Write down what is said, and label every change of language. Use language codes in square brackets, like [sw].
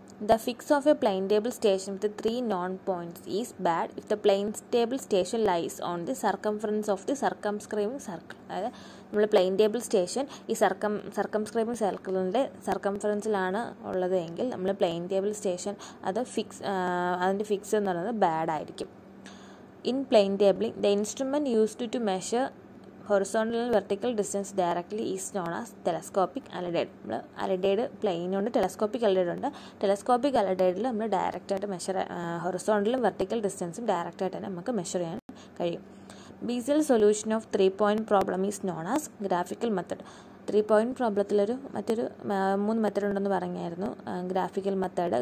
[en] The fix of a plane table station with three known points is bad if the plane table station lies on the circumference of the circumscribing circle. [ml] അതായത് നമ്മൾ plain table station ഈ സർക്കംസ്ക്രൈബിംഗ് സർക്കിളിൻ്റെ സർക്കംഫറൻസിലാണ് ഉള്ളത് എങ്കിൽ നമ്മൾ plain table station അതിൻ്റെ fix എന്ന് പറയുന്നത് ബാഡ് ആയിരിക്കും. [en] In plane tabling, the instrument used to measure horizontal and vertical distance directly is known as telescopic alidade. [ml] നമ്മൾ അലിഡേഡ് പ്ലെയിനുണ്ട്, ടെലസ്കോപ്പിക് അലിഡേഡ് ഉണ്ട്. ടെലസ്കോപ്പിക് അലിഡേഡിൽ നമ്മൾ ഡയറക്റ്റായിട്ട് മെഷർ ഹൊറസോണ്ടലും വെർട്ടിക്കൽ ഡിസ്റ്റൻസും ഡയറക്റ്റായിട്ട് തന്നെ നമുക്ക് മെഷർ ചെയ്യാൻ കഴിയും. [en] Bessel solution of three point problem is known as graphical method. [ml] Three point പ്രോബ്ലത്തിലൊരു മറ്റൊരു മൂന്ന് മെത്തേഡ് ഉണ്ടെന്ന് പറഞ്ഞായിരുന്നു ഗ്രാഫിക്കൽ മെത്തേഡ്.